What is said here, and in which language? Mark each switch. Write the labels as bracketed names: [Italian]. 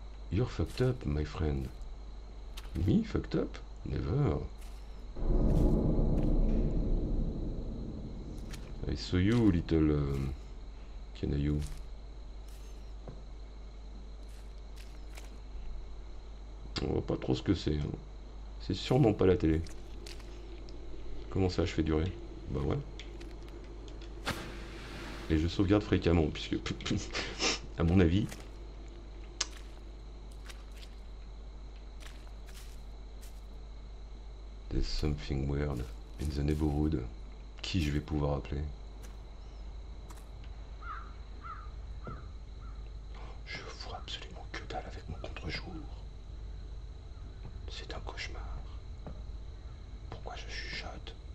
[English] You're fucked up, my friend. Me, fucked up? Never. I saw you, little canaillou. [French] On voit pas trop ce que c'est. Hein. C'est sûrement pas la télé. Comment ça, je fais durer? Bah ouais. Et je sauvegarde fréquemment, puisque... À mon avis. [English] There's something weird in the neighborhood. [French] Qui je vais pouvoir appeler? Je vois absolument que dalle avec mon contre-jour. C'est un cauchemar. Pourquoi je chuchote?